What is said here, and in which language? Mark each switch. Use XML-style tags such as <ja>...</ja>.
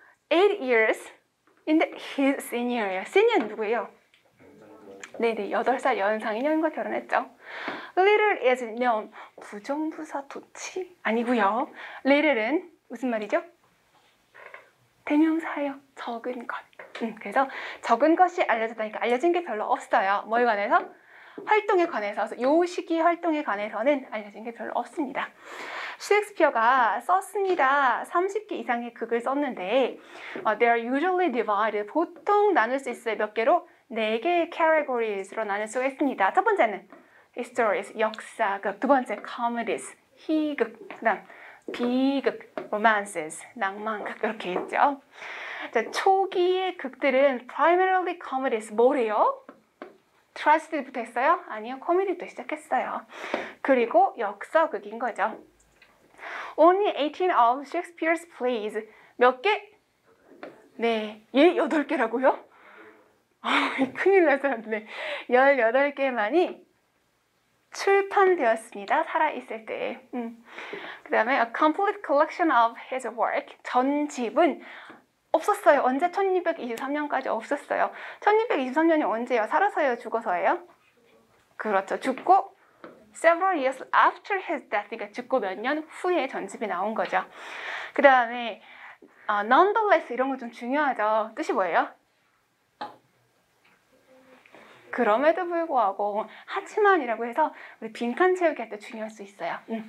<en>8 years in the his senior예요.</en> <ko>senior 누구예요? 네네, 8살 연상인 형과 결혼했죠.</ko> <en>little is known.</en> <ko>부정부사 도치? 아니고요. little은 무슨 말이죠? 대명사예요. 적은 것. 그래서 적은 것이 알려졌다니까 알려진 게 별로 없어요. 뭐에 관해서? 활동에 관해서. 요 시기 활동에 관해서는 알려진 게 별로 없습니다. 셰익스피어가 썼습니다. 30개 이상의 극을 썼는데,</ko> <en>they are usually divided.</en> <ko>보통 나눌 수 있어요. 몇 개로? 4개의 categories로 나눌 수가 있습니다. 첫 번째는 histories, 역사극. 두 번째, comedies, 희극. 그다음 비극, romances, 낭만극. 이렇게 했죠. 자, 초기의 극들은</ko> <en>primarily comedies.</en> <ko>뭐래요? tragedy부터 했어요? 아니요, 코미디부터 시작했어요. 그리고 역사극인 거죠.</ko> <en>Only 18 of Shakespeare's plays.</en> <ko>몇 개? 네, 예, 8개라고요? 큰일 날 사람들. 18개만이 출판되었습니다. 살아있을 때. 그 다음에</ko> <en>A complete collection of his work.</en> <ko>전집은 없었어요. 언제? 1623년까지 없었어요. 1623년이 언제예요? 살아서예요? 죽어서예요? 그렇죠. 죽고</ko> <en>several years after his death.</en> <ko>그러니까 죽고 몇년 후에 전집이 나온 거죠. 그 다음에 nonetheless 이런 거좀 중요하죠. 뜻이 뭐예요? 그럼에도 불구하고, 하지만이라고 해서 우리 빈칸 채우기 할때 중요할 수 있어요.</ko>